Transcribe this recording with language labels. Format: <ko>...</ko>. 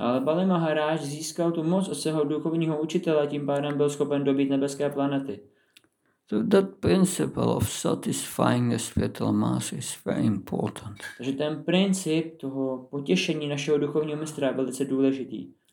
<cs>Ale Bali Maharaj získal tu moc od svého duchovního učitele, tím pádem byl schopen dobít nebeské planety.</cs> <en>So that principle of satisfying the spiritual master is very important.</en> <cs>Takže ten princip toho potěšení našeho duchovního mistra je velice důležitý.</cs>